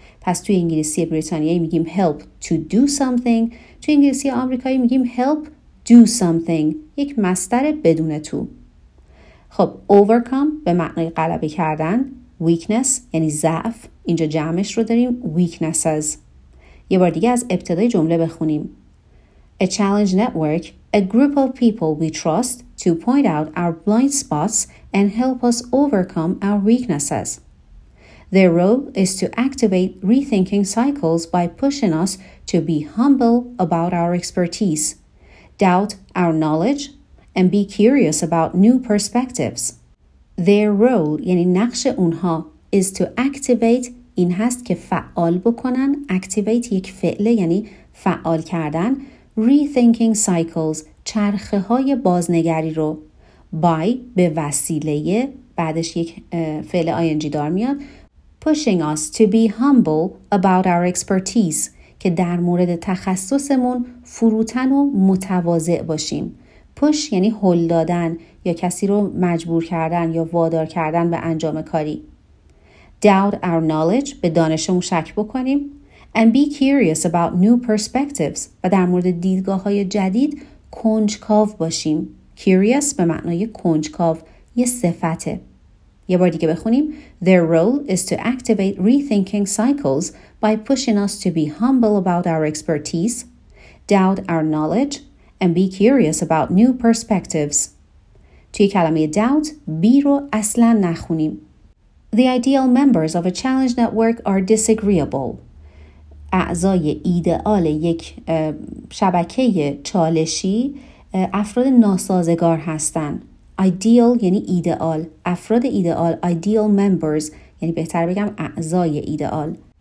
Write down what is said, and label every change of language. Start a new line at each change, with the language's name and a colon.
Persian: پس توی انگلیسی بریتانیایی میگیم
English: help to do something،
Persian: توی انگلیسی آمریکایی میگیم
English: help do something،
Persian: یک مصدر بدون تو. خب overcome به معنی غلبه کردن، weakness یعنی ضعف، اینجا جمعش رو داریم weaknesses. یه بار دیگه از ابتدای جمله بخونیم.
English: A challenge network, a group of people we trust to point out our blind spots and help us overcome our weaknesses. Their role is to activate rethinking cycles by pushing us to be humble about our expertise, doubt our knowledge, and be curious about new perspectives. Their role,
Persian: یعنی نقش اونها,
English: is to activate
Persian: این هست که فعال بکنن، اکتیویت یک فعله یعنی فعال کردن،
English: rethinking cycles،
Persian: چرخه های بازنگری رو، by به وسیله، بعدش یک فعل ing دار میاد،
English: pushing us to be humble about our expertise،
Persian: که در مورد تخصصمون فروتن و متواضع باشیم. push یعنی هل دادن یا کسی رو مجبور کردن یا وادار کردن به انجام کاری.
English: Doubt our knowledge,
Persian: به دانشمون شک بکنیم.
English: And be curious about new perspectives,
Persian: و در مورد دیدگاه های جدید کنجکاو باشیم. Curious به معنای کنجکاو یه صفته. یه بار دیگه بخونیم.
English: Their role is to activate rethinking cycles by pushing us to be humble about our expertise, doubt our knowledge, and be curious about new perspectives.
Persian: توی کلمه doubt, بی رو اصلا نخونیم.
English: The ideal members of a challenge network are disagreeable.
Persian: اعضای ایدئال یک شبکه چالشی افراد ناسازگار هستند. Ideal یعنی ایدئال. افراد ایدئال,
English: ideal members,
Persian: یعنی بهتر بگم اعضای ایدئال.